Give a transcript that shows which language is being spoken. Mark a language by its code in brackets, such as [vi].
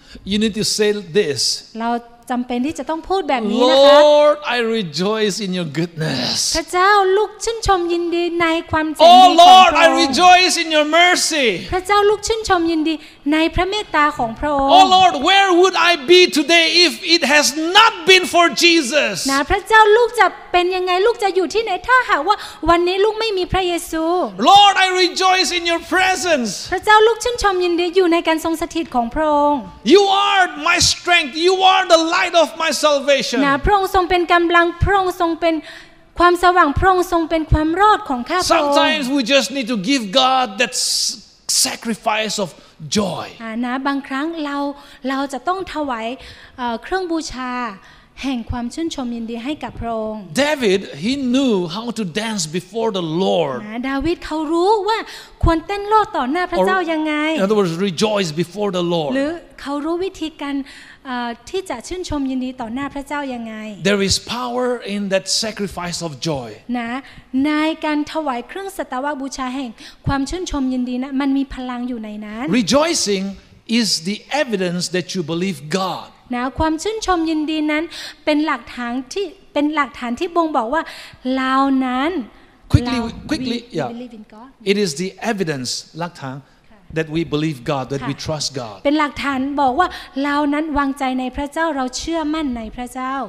[en] You need to say this [th] เราจำเป็นที่จะต้องพูดแบบนี้นะคะ [en] Lord I rejoice in your goodness [th] พระเจ้าลูกชื่นชมยินดีในความเจริ ญของพระองค์ [en] Oh Lord I rejoice in your mercy [th] พระเจ้าลูกชื่นชมยินดีในพระเมตตาของพระองค์ [en] Oh Lord where would I be today if it has not been for Jesus [th] นะพระเจ้าลูกจะเป็นยังไงลูกจะอยู่ที่ไหนถ้าหากว่าวันนี้ลูกไม่มีพระเยซู [en] Lord I rejoice in your presence [th] พระเจ้าลูกชื่นชมยินดีอยู่ในการทรงสถิตของพระองค์ [en] You are my strength you are the light of my salvation [th] นะพระองค์ทรงเป็นกำลังพระองค์ทรงเป็นความสว่างพระองค์ทรงเป็นความรอดของข้าพระองค์ [en] Sometimes we just need to give God that sacrifice ofjoy [th] นะบางครั้งเราจะต้องถวายเครื่องบูชาแห่งความชื่นชมยินดีให้กับพระองค์ [en] David he knew how to dance before the Lord [th] นะดาวิดเขารู้ว่าควรเต้นโลดต่อหน้าพระเจ้ายังไง [en] In other words rejoice before the Lord [th] หรือเขารู้วิธีการที่จะชื่นชมยินดีต่อหน้าพระเจ้ายังไง [en] There is power in that sacrifice of joy [th] นะในการถวายเครื่องสัตวบูชาแห่งความชื่นชมยินดีนะมันมีพลังอยู่ในนั้น [en] Rejoicing is the evidence that you believe God [th] นะความชื่นชมยินดีนั้นเป็นหลักฐานที่เป็นหลักฐานที่บ่งบอกว่าเรานั้น [en] quickly yeah it is the evidence หลักฐานthat we believe God that we trust God [th] เป็นหลักฐานบอกว่าเรานั้นวางใจในพระเจ้าเราเชื่อมั่นในพระเจ้า